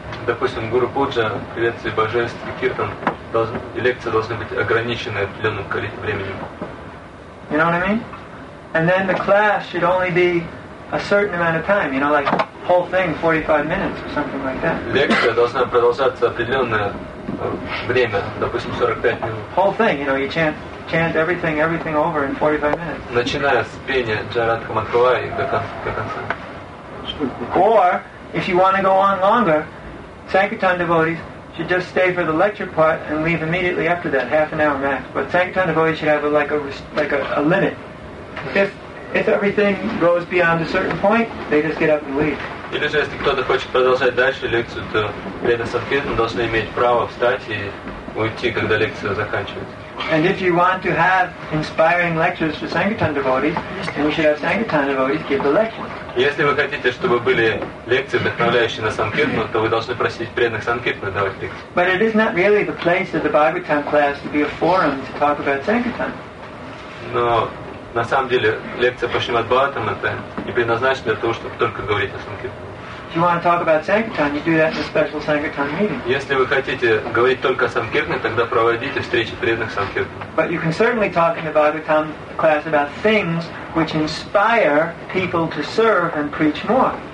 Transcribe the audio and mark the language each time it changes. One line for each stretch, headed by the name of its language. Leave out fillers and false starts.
Russian: Допустим, Гуру Пуджа, приветствие божеств и киртан, лекции должны быть ограничены определенным количеством времени.
English: You know what I mean? And then the class should only be a certain amount of time, you know, like whole thing, 45 minutes or something like that.
Russian: Лекция должна продолжаться определенное время, допустим, 45 минут.
English: Whole thing, you know, you chant everything over in 45 minutes.
Russian: Начиная с пения Джарадха Мадхава и до конца.
English: Or, if you want to go on longer, Sankirtan devotees should just stay for the lecture part and leave immediately after that, half an hour max. But Sankirtan devotees should have a limit. If everything goes beyond a certain point, they just get up and leave.
Russian: Или же, если кто-то хочет продолжать дальше лекцию, то преданные санкхирты должны иметь право встать и уйти, когда лекция заканчивается.
English: And if you want to have inspiring lectures for Sankirtan devotees, then you should have Sankirtan devotees give the lecture.
Russian: Если вы хотите, чтобы были лекции, вдохновляющие на санкиртну, то вы должны просить преданных санкиртны давать лекции.
English: But it is not really the place of the Bhagavatam class to be a forum to talk about Sankirtan.
Russian: Но на самом деле лекция по Шримад Бхагаватам это не предназначена для того, чтобы только говорить о санкиртне.
English: If you want to talk about Sankirtan, you do that in a special Sankirtan meeting.
Russian: Если вы хотите говорить только о санкиртне, тогда проводите встречи преданных санкиртн.
English: But you can certainly talk in the Bhagavatam class about things which inspire people to serve and preach more.